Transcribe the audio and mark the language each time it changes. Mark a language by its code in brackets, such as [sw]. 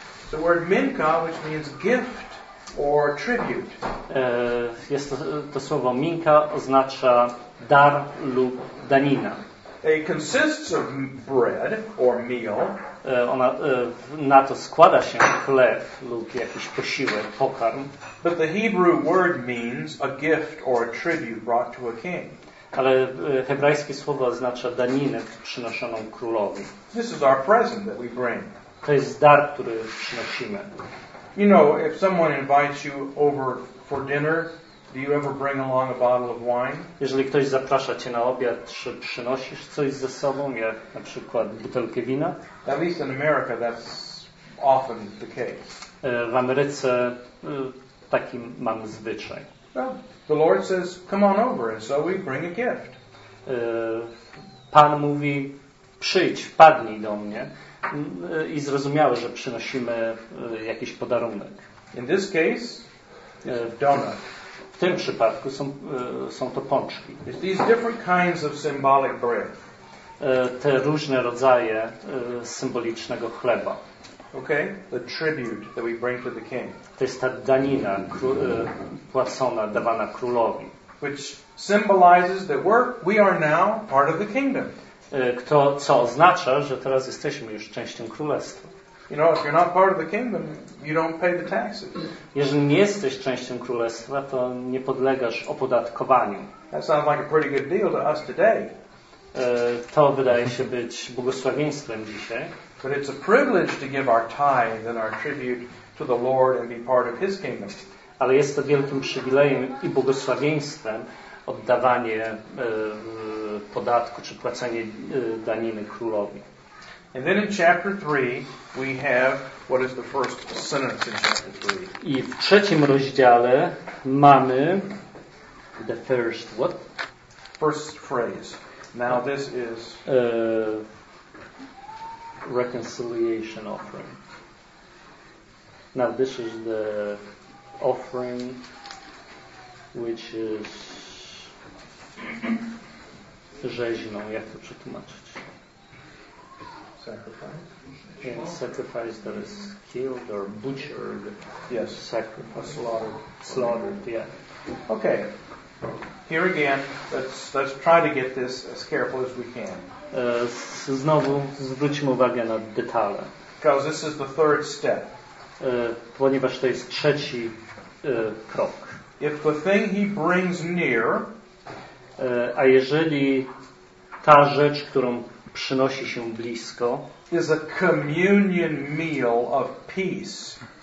[en] The word minka, which means gift or tribute. [pl] Jest to słowo minka oznacza dar lub danina. [en] It consists of bread or meal. [pl] Ona na to składa się chleb lub jakiś posiłek, pokarm. [en] But the Hebrew word means a gift or a tribute brought to a king. [pl] Ale hebrajskie słowo oznacza daninę przynoszoną królowi. [en] This is our present that we bring. [pl] To jest dar, który przynosimy. [en] You know, if someone invites you over for dinner, do you ever bring along a bottle of wine? [pl] Jeżeli ktoś zaprasza cię na obiad, czy przynosisz coś ze sobą, jak na przykład butelkę wina? [en] At least in America, that's often the case. [pl] W Ameryce takim mam zwyczaj. [en] Well, the Lord says, "Come on over," and so we bring a gift. [pl] Pan mówi, przyjdź, wpadnij do mnie. I zrozumiałe, że przynosimy jakiś podarunek. [en] In this case, donut. [pl] W tym przypadku są to pączki. [en] It's these different kinds of symbolic bread. [pl] Te różne rodzaje symbolicznego chleba. [en] Okay, the tribute that we bring to the king. [pl] To jest ta danina płacona, dawana królowi. [en] Which symbolizes that we are now part of the kingdom. [pl] Co oznacza, że teraz jesteśmy już częścią królestwa. [en] You know, if you're not part of the kingdom, you don't pay the taxes. [pl] Jeżeli nie jesteś częścią królestwa, to nie podlegasz opodatkowaniu. [en] That sounds like a pretty good deal to us today. [pl] To wydaje się być błogosławieństwem dzisiaj. [en] But it's a privilege to give our tithe and our tribute to the Lord and be part of His kingdom. [pl] Ale jest to wielkim przywilejem i błogosławieństwem oddawanie podatku czy płacenie daniny królowi. [en] And then in chapter 3 we have what is the first sentence in chapter 3. [pl] I w trzecim rozdziale mamy [en] the first what? First phrase. Now this is reconciliation offering. Now this is the offering which is [pl] rzeźną, jak to przetłumaczyć? [en] Sacrifice? And sacrifice that is killed or butchered. Yes. Sacrifice. Slaughtered, yeah. Okay. Here again, let's try to get this as careful as we can. [pl] Znowu zwróćmy uwagę na detale. [en] Because this is the third step. [pl] Ponieważ to jest trzeci krok. [en] If the thing he brings near, [pl] a jeżeli ta rzecz, którą przynosi się blisko, [en] is a communion meal of peace,